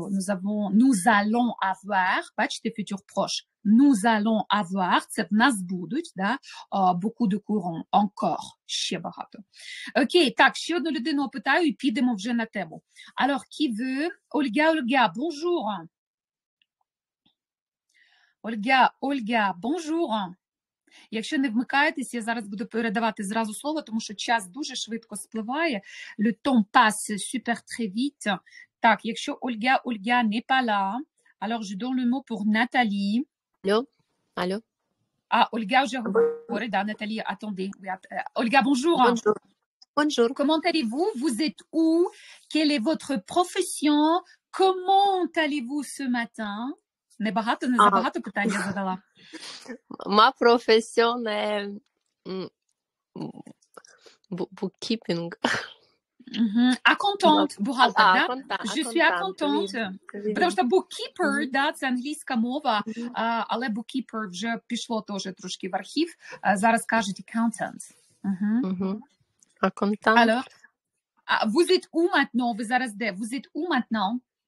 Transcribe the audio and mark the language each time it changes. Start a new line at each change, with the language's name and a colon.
French: Nous allons avoir, бачите, futur proche, nous allons avoir,
Ukrainian: це в нас будуть,
French: да, beaucoup de courant, encore, ще багато.
Ukrainian: Окей, так, ще одну людину опитаю і підемо вже на тему.
French: Alors, qui veut? Ольга, bonjour.
Ukrainian: Ольга, bonjour. Якщо не вмикаєтесь, я зараз буду передавати зразу слово, тому що час дуже швидко спливає.
French: Le temps passe super très vite.
Ukrainian: Так, якщо Ольга не пала,
French: alors je donne le mot pour Nathalie. Allô?
Ukrainian: А, Ольга вже говорить, да, Наталі,
French: attendez.
Ukrainian: Ольга, bonjour.
French: Bonjour. Comment allez-vous? Vous êtes où? Quelle est votre profession? Comment allez-vous ce matin?
Ukrainian: Небагато, не забагато питання задала.
French: Ma profession est bookkeeping. Mm-hmm.
Ukrainian: Accountante, бухгалтер, да?
French: Je suis accountante.
Ukrainian: Потому что bookkeeper, да, це англійська мова, але bookkeeper вже пішло теж трошки в архів. Зараз кажуть accountant.
English: Accountant.
French: Alors, vous êtes où maintenant?
Ukrainian: Ви зараз де?
French: Vous êtes où maintenant?